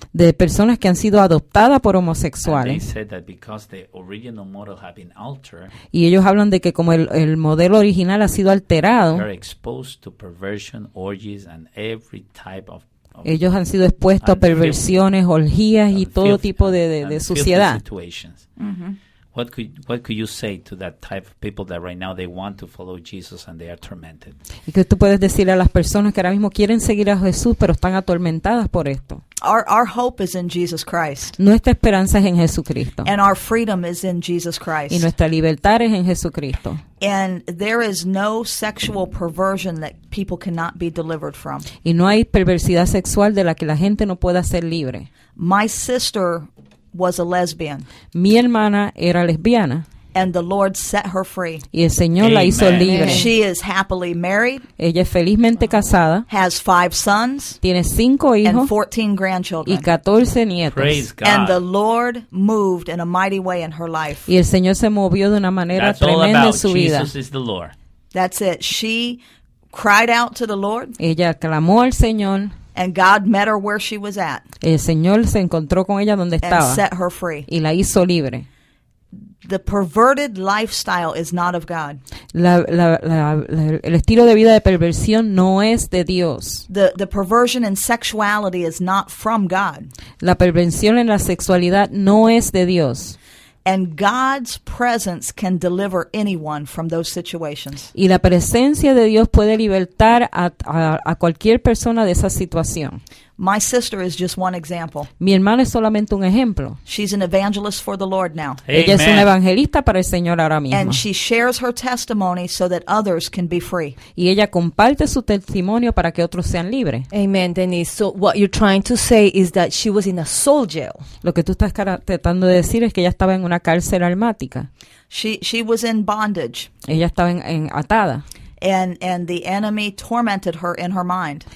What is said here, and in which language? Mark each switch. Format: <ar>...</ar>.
<es>De personas que han sido adoptadas por homosexuales.</es> <en>And they said that because the original model had been altered,</en> <es>y ellos hablan de que como el modelo original ha sido alterado.</es> <en>They're exposed to perversion, orgies, and every type of</en> <es>ellos han sido expuestos a perversiones, orgías y todo tipo de suciedad.</es> <en>What could you say to that type of people that right now they want to follow Jesus and they are tormented?</en> <es>¿Y qué tú puedes decirle a las personas que ahora mismo quieren seguir a Jesús pero están atormentadas por esto?</es> <en>Our hope is in Jesus Christ.</en> <es>Nuestra esperanza es en Jesucristo.</es> <en>And our freedom is in Jesus Christ.</en> <es>Y nuestra libertad es en Jesucristo.</es> <en>And there is no sexual perversion that people cannot be delivered from.</en> <es>Y no hay perversidad sexual de la que la gente no pueda ser libre.</es> <en>My sister was a lesbian.</en> <es>Mi hermana era lesbiana.</es> <en>And the Lord set her free.</en> <es>Y el Señor</es> <en>Amen.</en> <es>La hizo libre.</es> <en>Amen. She is happily married.</en> <es>Ella es felizmente casada.</es> <en>Has 5 sons.</en> <es>Tiene 5 hijos.</es> <en>And 14 grandchildren.</en> <es>Y 14 nietos.</es> <en>Praise God. And the Lord moved in a mighty way in her life.</en> <es>Y el Señor se movió de una manera</es> <en>That's</en> <es>tremenda</es> <en>all about</en> <es>en su vida.</es> <en>Jesus is the Lord. That's it. She cried out to the Lord.</en> <es>Ella clamó al Señor.</es> <en>And God met her where she was at.</en> <es>El Señor se encontró con ella donde estaba.</es> <en>And set her free.</en> <es>Y la hizo libre.</es> <en>The perverted lifestyle is not of God.</en> <es>El estilo de vida de perversión no es de Dios.</es> <en>The perversion in sexuality is not from God.</en> <es>La perversión en la sexualidad no es de Dios.</es> <en>And God's presence can deliver anyone from those situations.</en> <es>Y la presencia de Dios puede libertar a cualquier persona de esa situación.</es> <en>My sister is just one example.</en> <es>Mi hermana es solamente un ejemplo.</es> <en>She's an evangelist for the Lord now. Amen.</en> <es>Ella es una evangelista para el Señor ahora mismo.</es> <en>And she shares her testimony so that others can be free.</en> <es>Y ella comparte su testimonio para que otros sean libres.</es> <en>Amen, Denise. So what you're trying to say is that she was in a soul jail.</en> <es>Lo que tú estás tratando de decir es que ella estaba en una cárcel almática.</es> <en>She was in bondage.</en> <es>Ella estaba en atada.</es> <en>And the enemy tormented her in her mind.</en>